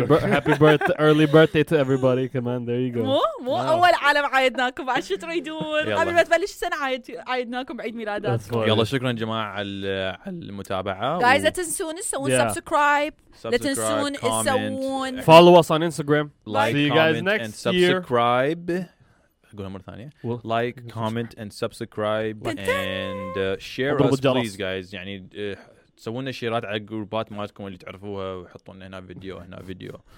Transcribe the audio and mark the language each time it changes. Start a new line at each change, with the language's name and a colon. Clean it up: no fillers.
English: happy birthday early birthday to everybody come on there you go
Arabic: مو اول عالم عايدناكم عشان شو تريدون قبل ما تبلش السنه عايدناكم عيد ميلاداتكم يلا شكرا جماعه على المتابعه guys لا تنسون تسوون سبسكرايب لا تنسون تسوون
English: follow us on instagram like see you guys next and subscribe
Arabic: قولها مرة ثانية.
English: Well, like, comment, and subscribe, and share us,
Arabic: جلس.
English: Please, guys.
Arabic: يعني سوونا شيرات على جروبات مالكم اللي تعرفوها وحطوا لنا هنا فيديو هنا فيديو.